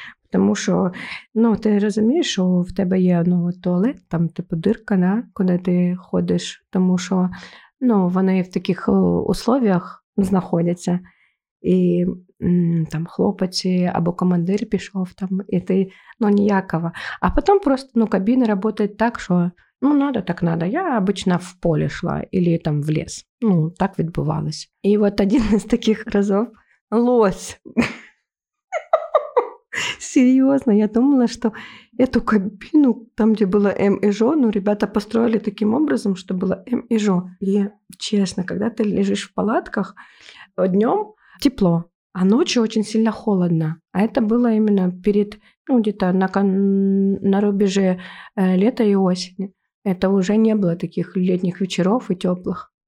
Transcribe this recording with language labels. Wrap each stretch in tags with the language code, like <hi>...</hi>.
<uk>Тому що, ну, ти розумієш, що в тебе є, ну, туалет, там, типу, дирка, да, куди ти ходиш, тому що, ну, вони в таких условиях знаходяться, і там хлопці або командир пішов, там, і ти, ну, ніякого. А потім просто, ну, кабіни працюють так, що...</uk> <ru>Ну, надо так надо. Я обычно в поле шла или там в лес.</ru> <uk>Ну, так відбувалось. І от один із таких разів – лось. Серйозно, я думала, що</uk> <ru>эту кабину,</ru> <uk>там, де було М і Ж, ну,</uk> <ru>ребята построили таким образом,</ru> <uk>що було М і Ж. І, чесно, коли ти лежиш в палатках,</uk> <ru>днем тепло, а ночью очень сильно холодно. А это было именно перед, ну, где-то на рубеже лета и осени. Это уже не было таких летних вечеров и теплых.</ru>